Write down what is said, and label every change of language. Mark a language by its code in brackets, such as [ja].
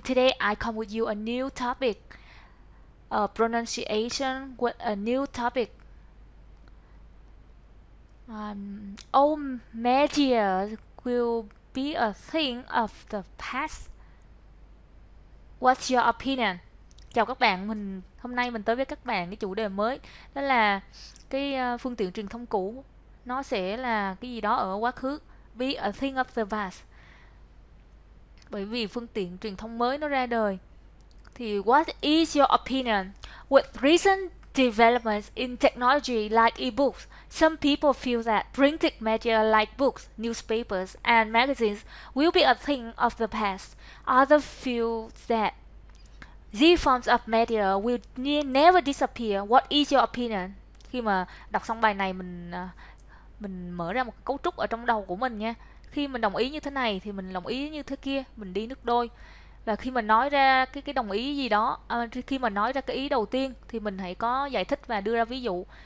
[en] Today I come with you a new topic, a pronunciation with a new topic. Old media will be a thing of the past. What's your opinion? [vi] Chào các bạn, hôm nay mình tới với các bạn cái chủ đề mới, đó là cái phương tiện truyền thông cũ nó sẽ là cái gì đó ở quá khứ. [en] Be a thing of the past. [vi] Bởi vì phương tiện truyền thông mới nó ra đời. [en] Thì what is your opinion? With recent developments in technology like e-books, some people feel that printed media like books, newspapers and magazines will be a thing of the past. Others feel that these forms of media will never disappear. What is your opinion? [vi] Khi mà đọc xong bài này mình mở ra một cấu trúc ở trong đầu của mình nha. Khi mình đồng ý như thế này thì mình đồng ý như thế kia, mình đi nước đôi. Và khi mình nói ra cái đồng ý gì đó, khi mà nói ra cái ý đầu tiên thì mình hãy có giải thích và đưa ra ví dụ.